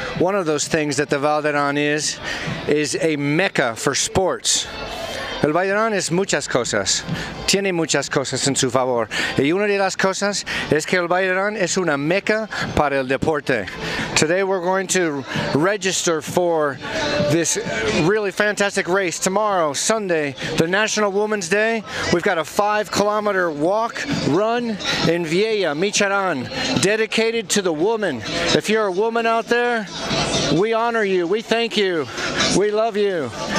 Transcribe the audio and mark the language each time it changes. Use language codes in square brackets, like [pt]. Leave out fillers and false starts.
[en] One of those things that the Vald'aran is a mecca for sports. [es] El Vald'aran es muchas cosas. Tiene muchas cosas en su favor. Y una de las cosas es que el Vald'aran es una meca para el deporte. [en] Today we're going to register for this really fantastic race. Tomorrow, Sunday, the National Women's Day. We've got a 5 kilometer walk, run in Vieja, Michoacán, dedicated to the woman. If you're a woman out there, we honor you, we thank you, we love you.